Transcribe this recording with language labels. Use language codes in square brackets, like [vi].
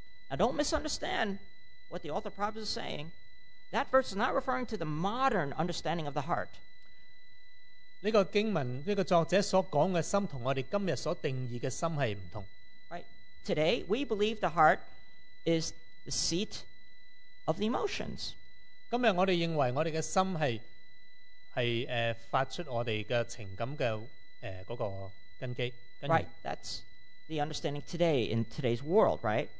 [en] Now don't misunderstand what the author of Proverbs is saying. That verse is not referring to the modern understanding of the heart. [zh] 这个经文,这个作者所讲的心,和我们今天所定义的心是不同。 [en] Right. Today, we believe the heart is the seat of the emotions. [zh] 今天我们认为我们的心是发出我们的情感的根基。 [en] Right, that's the understanding today in today's world, right?